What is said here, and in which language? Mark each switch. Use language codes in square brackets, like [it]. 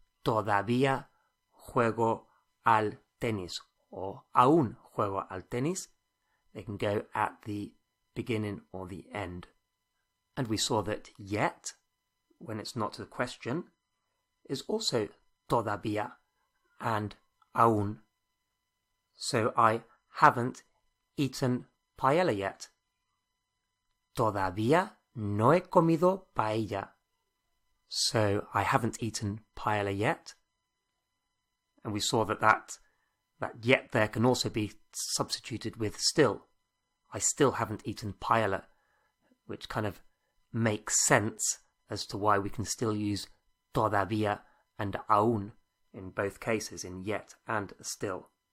[es] Todavía juego al tenis, or aún juego al tenis. [en] They can go at the beginning or the end. And we saw that yet, when it's not a question, is also todavía and aún. So I haven't eaten paella yet. [es] Todavía no he comido paella. [en] So I haven't eaten paella yet. And we saw that that yet there can also be substituted with still. I still haven't eaten paella, which kind of makes sense as to why we can still use todavía and aún in both cases, in yet and still.